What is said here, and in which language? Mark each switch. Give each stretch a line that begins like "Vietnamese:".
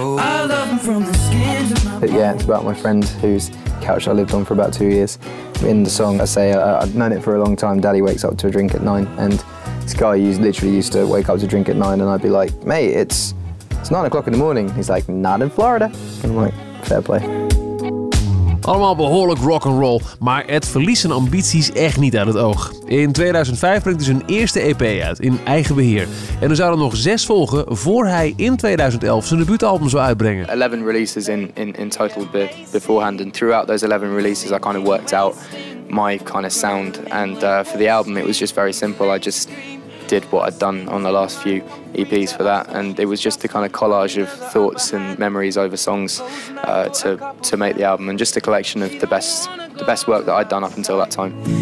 English: Yeah, it's about my friend whose couch I lived on for about 2 years. In the song, I say I've known it for a long time. Daddy wakes up to a drink at 9, and this guy literally used to wake up to drink at 9, and I'd be like, "Mate, it's 9 o'clock in the morning." He's like, "Not in Florida." And I'm like, "Fair play."
Dutch: Allemaal behoorlijk rock and roll, maar Ed verliest zijn ambities echt niet uit het oog. In 2005 brengt hij zijn eerste EP uit, in eigen beheer. En er zouden nog 6 volgen voor hij in 2011 zijn debuutalbum zou uitbrengen.
English: 11 releases in total beforehand. And throughout those 11 releases, I kind of worked out my kind of sound. And for the album, it was just very simple. I just did what I'd done on the last few EPs for that, and it was just a kind of collage of thoughts and memories over songs to make the album, and just a collection of the best work that I'd done up until that time.